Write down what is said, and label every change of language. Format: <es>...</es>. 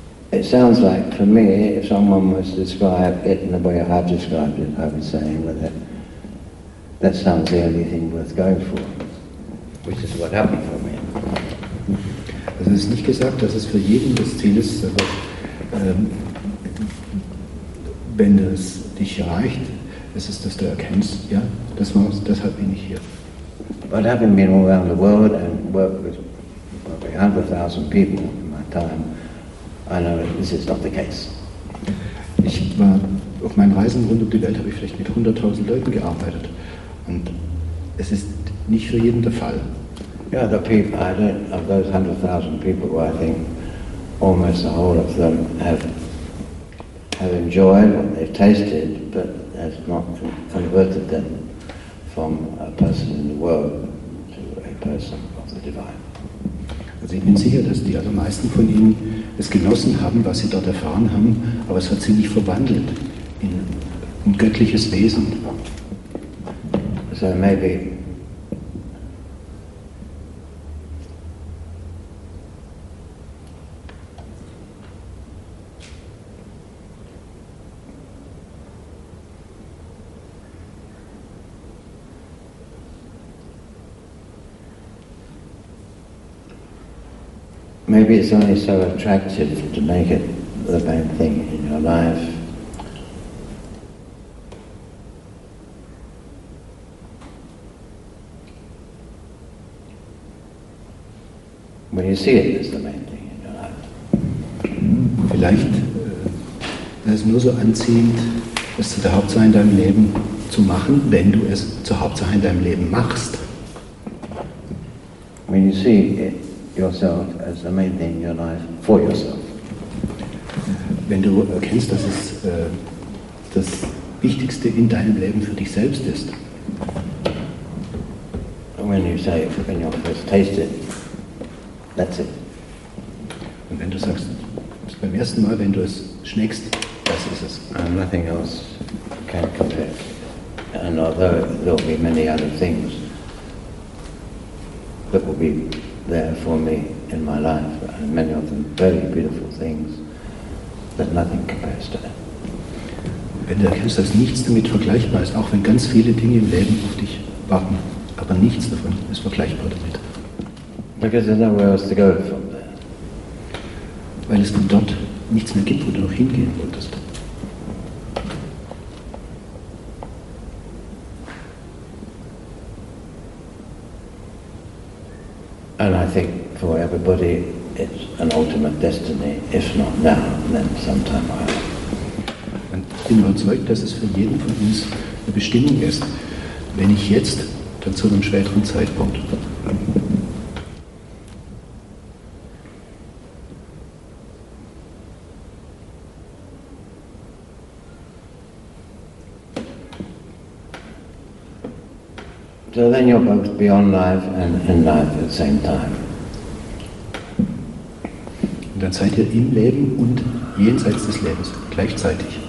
<en>It sounds like, for me, if someone was to describe it in the way I've described it, I would say, well, that sounds the only thing worth going for, which is what happened for me.</en> <de>Also es ist nicht gesagt, dass es für jeden das Ziel ist, aber wenn das dich erreicht, es ist, dass du erkennst, ja, das war's, deshalb bin ich hier.</de> <en>But having been all around the world and worked with probably 100,000 people in my time, I know this is not the case.</en> <de>Ich war auf meinen Reisen rund um die Welt, habe ich vielleicht mit 100,000 Leuten gearbeitet, und es ist nicht für jeden der Fall.</de> <en>Yeah, the people, I don't, of those 100,000 people, who I think almost the whole of them have enjoyed what they've tasted, but has not converted them from a person in the world to a person of the divine.</en> <de>Also ich bin sicher, dass die allermeisten von ihnen es genossen haben, was sie dort erfahren haben, aber es hat sie nicht verwandelt in ein göttliches Wesen.</de> <en>So maybe maybe it's only so attractive to make it the main thing in your life when you see it as the main thing in your life.</en> <de>Vielleicht ist es nur so anziehend, es zu der Hauptsache in deinem Leben zu machen, wenn du es zur Hauptsache in deinem Leben machst.</de> <en>When you see it yourself as the main thing in your life for yourself.</en> <de>Wenn du erkennst, dass es das Wichtigste in deinem Leben für dich selbst ist.</de> <en>When you say, when you first taste it, that's it.</en> <de>Und wenn du sagst, beim ersten Mal, wenn du es schmeckst, das ist es.</de> <en>And nothing else can compare. And although there will be many other things that will be there for me in my life, and many of them very beautiful things, but nothing compares to that.</en> <de>Wenn du erkennst, dass nichts damit vergleichbar ist, auch wenn ganz viele Dinge im Leben auf dich warten, aber nichts davon ist vergleichbar damit.</de> <en>Because there's nowhere else to go from there.</en> <de>Weil es von dort nichts mehr gibt, wo du noch hingehen wolltest.</de> <en>And I think for everybody it's an ultimate destiny, if not now, then sometime or other.</en> <de>Und ich bin überzeugt, dass es für jeden von uns eine Bestimmung ist, wenn nicht jetzt, dann zu einem späteren Zeitpunkt.</de> <en>So then you're both beyond life and in life at the same time.</en> <de>Und dann seid ihr im Leben und jenseits des Lebens gleichzeitig.</de>